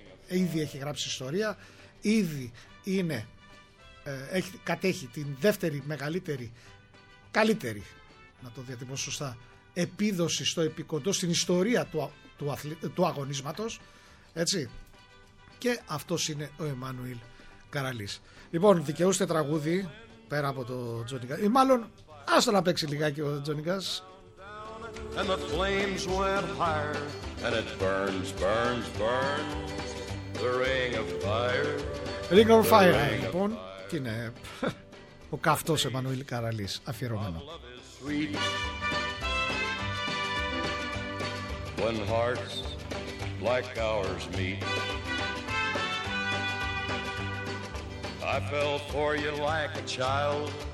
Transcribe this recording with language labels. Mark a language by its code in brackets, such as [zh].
[el] Ήδη έχει γράψει ιστορία. Ήδη είναι, κατέχει την δεύτερη μεγαλύτερη, καλύτερη, να το διατυπώσω σωστά, επίδοση στο επικοντό, στην ιστορία του αγωνίσματος. Έτσι. Και αυτός είναι ο Εμμανουήλ Καραλής. Λοιπόν, δικαιούστε τραγούδι πέρα από το Τζόνι Γκάς. Ή μάλλον, άστο να παίξει λιγάκι ο Τζόνι Γκάς. [en] And the flames went higher, and it burns, burns, burns, the ring of fire. [el] Ring of fire, λοιπόν, τι είναι, ο καυτός Εμμανουήλ Καραλής, αφιερωμένο. [en] When hearts like ours meet, I fell for you like a child.